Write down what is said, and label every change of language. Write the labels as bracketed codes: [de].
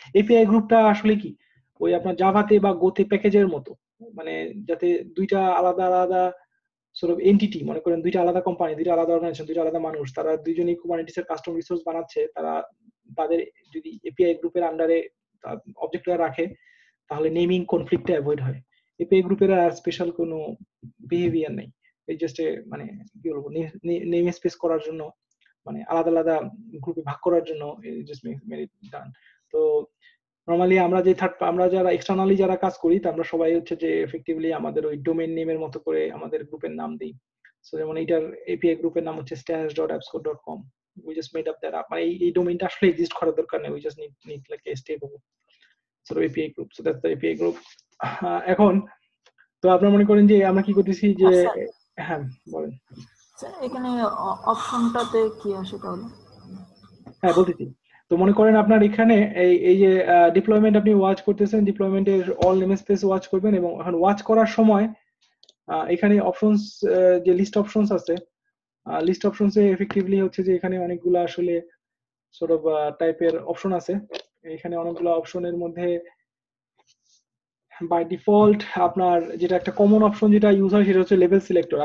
[bn] API গ্রুপটা আসলে কি, ওই আপনার জাভাতে বা গোতে প্যাকেজের মতো, মানে যাতে দুইটা আলাদা আলাদা সরব এন্টিটি, মনে করেন দুইটা আলাদা কোম্পানি, দুইটা আলাদা অর্গানাইজেশন, দুইটা আলাদা মানুষ, তারা দুইজনই কুবারনেটিসের কাস্টম রিসোর্স বানাচ্ছে, তারা তাদের যদি API গ্রুপের আন্ডারে অবজেক্টটা রাখে তাহলে নেমিং কনফ্লিক্টটা অ্যাভয়েড হয়, API গ্রুপের আর স্পেশাল কোনো বিহেভিয়ার নেই, এই জাস্ট মানে কি বলবো নেম স্পেস করার জন্য মানে আলাদা আলাদা গ্রুপে ভাগ করার জন্য জাস্ট মেরিট ডান। তো নর্মালি আমরা যে থার্ড আমরা যারা এক্সটার্নালি যারা কাজ করি তো আমরা সবাই হচ্ছে যে এফেক্টিভলি আমাদের ওই ডোমেন নেমের মতো করে আমাদের গ্রুপের নাম দিই। সো যেমন এইটার API গ্রুপের নাম হচ্ছে [en] stash.appscore.com, we just made up that up, [bn] মানে এই ডোমেইনটা আসলে এক্সিস্ট করার দরকার নেই, [en] we just need like a stable sort of API group, so that's the API group. [bn] এখন তো আপনারা মনে করেন যে আমরা কি করতেছি যে, হ্যাঁ বলেন স্যার এখানে অপশনটাতে কি আসে তাহলে? হ্যাঁ বলতেছি, তো মনে করেন আপনার এখানে এই এই যে ডিপ্লয়মেন্ট আপনি ওয়াচ করতেছেন, ডিপ্লয়মেন্টের অল নেমস্পেস ওয়াচ করবেন, এবং এখন ওয়াচ করার সময় এখানে অপশনস যে লিস্ট অপশনস আছে লিস্ট অপশনস এ এফেক্টিভলি হচ্ছে যে এখানে অনেকগুলো আসলে সর্ট অফ টাইপের অপশন আছে, এখানে অনেকগুলো অপশনের মধ্যে বাই ডিফল্ট আপনার যেটা একটা কমন অপশন যেটা ইউজ হয় সেটা হচ্ছে লেভেল সিলেক্টর।